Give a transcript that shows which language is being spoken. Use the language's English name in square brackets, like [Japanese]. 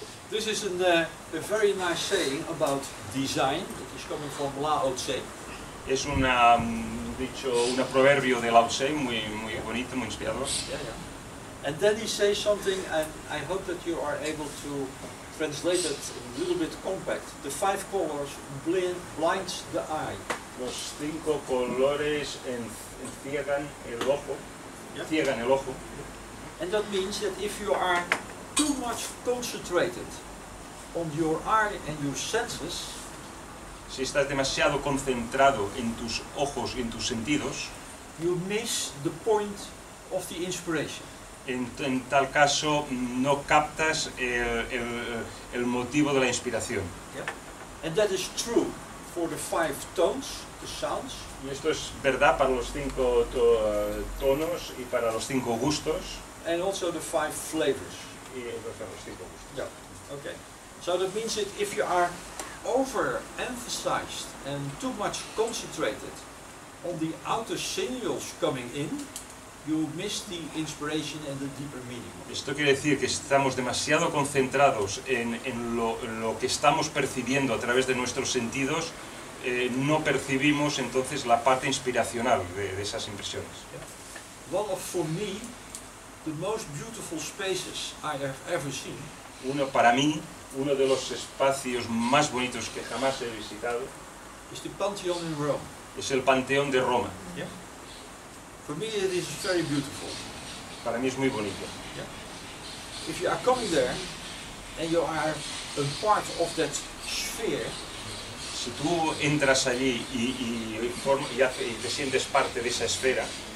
[English] This is a very nice saying about design, that is coming from Lao Tse. [Spanish] Es una, dicho, una proverbio de Lao Tse, muy, muy bonito, muy inspirador. [English] And then he says something, and I hope that you are able to translate it a little bit compact. The five colors blinds the eye. [Spanish] Los cinco colores enciegan el ojo. Enciegan el ojo. [English] And that means that if you are too much concentrated on your eye and your senses, [Spanish] si estás demasiado concentrado en tus ojos y en tus sentidos, [English] you miss the point of the inspiration. [Spanish] En tal caso no captas el motivo de la inspiración. [English] And that is true for the five tones, the sounds. [Spanish] Y esto es verdad para los cinco tonos y para los cinco gustos. [English] And also the five flavors. [Spanish] Y para los cinco gustos. [English] Okay. So that means that if you are overemphasized and too much concentrated on the outer signals coming in, you miss the inspiration and the deeper meaning. [Spanish] Esto quiere decir que estamos demasiado concentrados en lo que estamos percibiendo a través de nuestros sentidos, no percibimos entonces la parte inspiracional de esas impresiones. [English] One of, for me, the most beautiful spaces I have ever seen. [Spanish] Uno para mí, uno de los espacios más bonitos que jamás he visitado, [English] is the Pantheon in Rome. [Spanish] Es el Panteón de Roma. [English] For me it is very beautiful. [Spanish] Para mí es muy bonito. [English] If you are coming there and you are a part of that sphere, [Spanish] si tú entras allí y te sientes parte de esa esfera,